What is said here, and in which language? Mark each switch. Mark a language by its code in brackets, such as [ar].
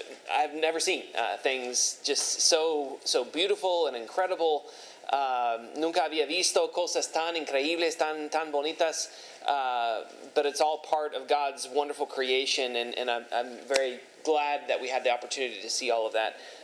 [en] I've never seen things just so beautiful and incredible. [es] Nunca había visto cosas tan increíbles, tan bonitas. [en] But it's all part of God's wonderful creation, and I'm very glad that we had the opportunity to see all of that.